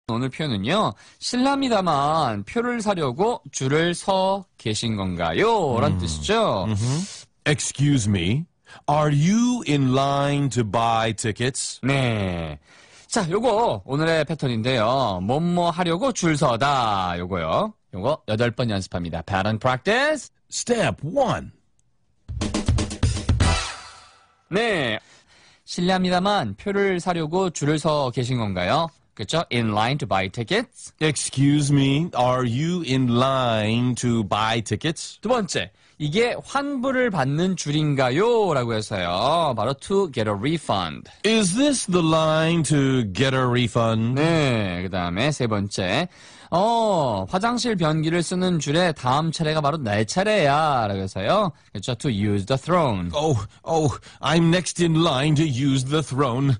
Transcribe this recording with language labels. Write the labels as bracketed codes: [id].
[ko] 오늘 표현은요, 실례합니다만 표를 사려고 줄을 서 계신 건가요? 라는 뜻이죠. [en] Excuse me, are you in line to buy tickets? [ko] 네. 자, 요거 오늘의 패턴인데요. 뭐뭐 하려고 줄 서다. 요거요. 요거 8번 연습합니다. [en] Pattern practice. Step 1. [ko] 네. 실례합니다만 표를 사려고 줄을 서 계신 건가요? [en] 그렇죠? In line to buy tickets. Excuse me, are you in line to buy tickets? [ko] 두 번째, 이게 환불을 받는 줄인가요? 라고 해서요. [en] 바로 to get a refund. Is this the line to get a refund? [ko] 네, 그 다음에 세 번째, 화장실 변기를 쓰는 줄에 다음 차례가 바로 내 차례야 라고 해서요. [en] 그렇죠? To use the throne. I'm next in line to use the throne.